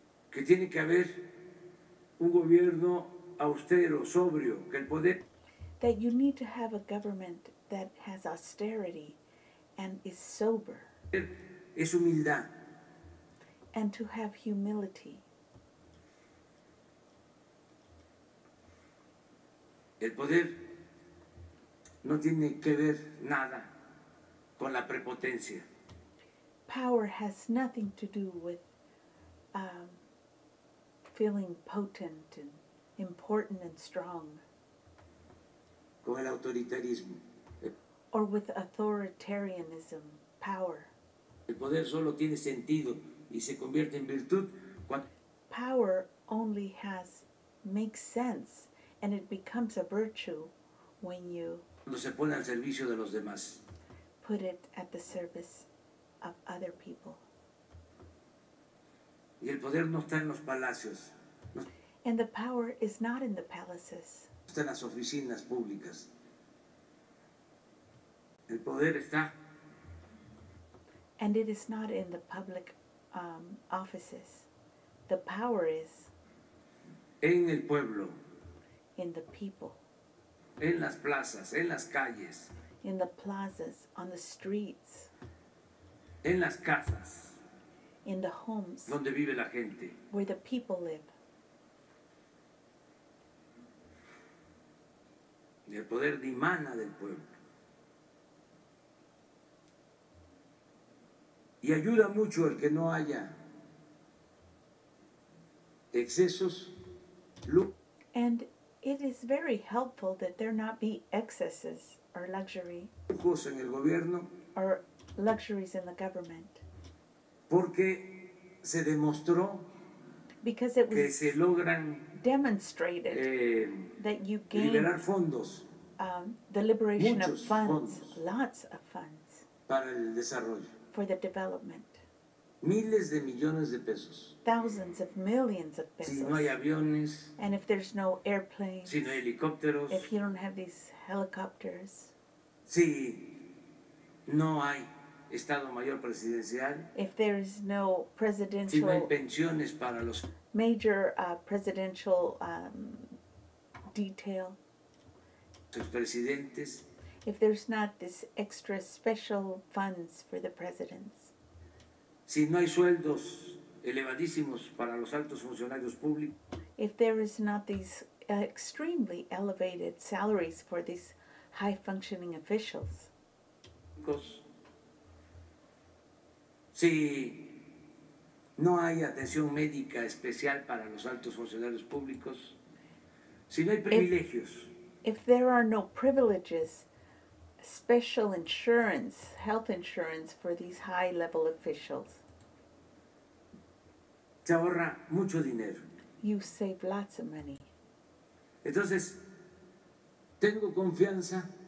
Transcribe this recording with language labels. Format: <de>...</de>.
<es>Que tiene que haber un gobierno austero, sobrio, que el poder...</es> <en>That you need to have a government that has austerity and is sober.</en> <es>Es humildad.</es> <en>And to have humility.</en> <es>El poder no tiene que ver nada con la prepotencia.</es> <en>Power has nothing to do with feeling potent and important and strong.</en> <es>Con el autoritarismo.</es> <en>Or with authoritarianism, power.</en> <es>El poder solo tiene sentido y se convierte en virtud cuando...</es> <en>Power only makes sense and it becomes a virtue when you...</en> <es>Cuando se pone al servicio de los demás.</es> <en>Put it at the service of other people.</en> <es>Y el poder no está en los palacios.</es> <en>And the power is not in the palaces.</en> <es>No está en las oficinas públicas. El poder está.</es> <en>And it is not in the public offices. The power is.</en> <es>En el pueblo.</es> <en>In the people.</en> <es>En las plazas, en las calles.</es> <en>In the plazas, on the streets.</en> <es>En las casas.</es> <en>In the homes.</en> <es>Donde vive la gente.</es> <en>Where the people live.</en> <es>El poder dimana del pueblo. Y ayuda mucho el que no haya excesos.</es> <en>And it is very helpful that there not be excesses or luxury.</en> <es>Lujos en el gobierno.</es> <en>Or luxuries in the government.</en> <es>Porque se demostró.</es> <en>Because it was</en> <es>que se logran,</es> <en>demonstrated that you gain.</en> <es>Liberar fondos.</es> <en>The liberation</en> <es>Muchos</es> <en>of funds,</en> <es>fondos,</es> <en>lots of funds,</en> <es>para el desarrollo,</es> <en>for the development.</en> <es>Miles de millones de pesos.</es> <en>Thousands of millions of pesos.</en> <es>Si no hay aviones.</es> <en>And if there's no airplanes.</en> <es>Si no hay helicópteros.</es> <en>If you don't have these helicopters.</en> <es>Si no hay Estado Mayor Presidencial.</es> <en>If there is no presidential.</en> <es>Si no hay pensiones para los.</es> <en>Major presidential detail.</en> <es>Los presidentes.</es> <en>If there's not this extra special funds for the presidents.</en> <es>Si no hay sueldos elevadísimos para los altos funcionarios públicos.</es> <en>If there is not these extremely elevated salaries for these high functioning officials.</en> <es>Si no hay atención médica especial para los altos funcionarios públicos. Si no hay privilegios.</es> <en>If there are no privileges, special insurance, health insurance for these high-level officials.</en> <es>Se ahorra mucho dinero.</es> <en>You save lots of money.</en> <es>Entonces, tengo confianza.</es>